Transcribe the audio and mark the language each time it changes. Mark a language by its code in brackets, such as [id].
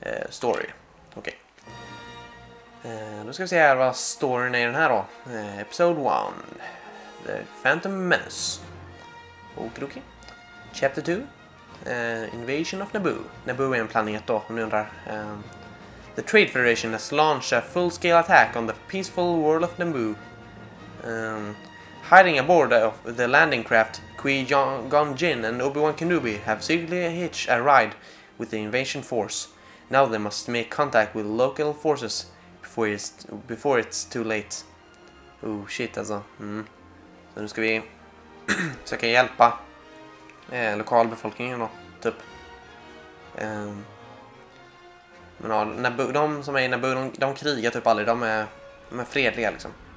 [sv] Story, okej. Då ska vi se här vad storyn är i den här då. [en] Episode 1, The Phantom Menace. Okidoki. Chapter 2. Invasion of Naboo. [sv] Naboo är en planet då, om ni undrar. [en] The Trade Federation has launched a full-scale attack on the peaceful world of Naboo. Hiding aboard of the landing craft, Qui-Gon Jinn and Obi-Wan Kenobi have secretly hitched a ride with the invasion force. Now they must make contact with local forces before it's too late. Oh shit [sv] alltså. Så nu ska vi försöka hjälpa lokalbefolkningen då, typ. Men ja, Naboo, de som är i Naboo, de krigar typ aldrig, de är fredliga liksom.